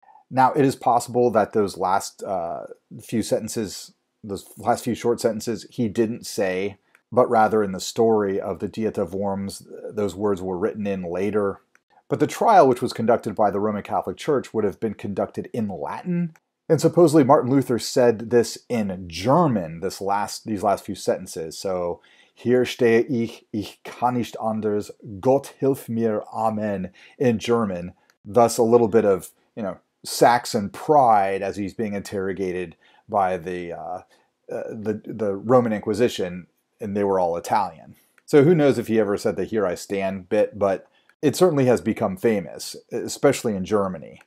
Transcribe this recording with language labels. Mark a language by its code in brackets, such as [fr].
[en] Now, it is possible that those last few sentences, those last few short sentences, he didn't say, but rather in the story of the Dieta Worms, those words were written in later. But the trial, which was conducted by the Roman Catholic Church, would have been conducted in Latin. And supposedly Martin Luther said this in German, these last few sentences. [de] So, hier stehe ich, ich kann nicht anders, Gott hilf mir, Amen, [en] in German. Thus, a little bit of, you know, Saxon pride as he's being interrogated by the Roman Inquisition, and they were all Italian. So who knows if he ever said the here I stand bit, but it certainly has become famous, especially in Germany.